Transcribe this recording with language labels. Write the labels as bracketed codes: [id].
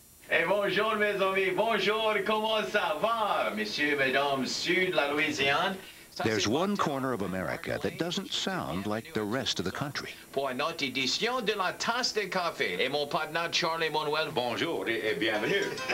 [fr] Et bonjour mes amis, bonjour, comment ça va, monsieur, mesdames, sud de la Louisiane. [en] There's one corner of America that doesn't sound like the rest of the country. [fr] Pour une autre édition de la tasse de café. Et mon partenaire Charlie Manuel, bonjour et bienvenue.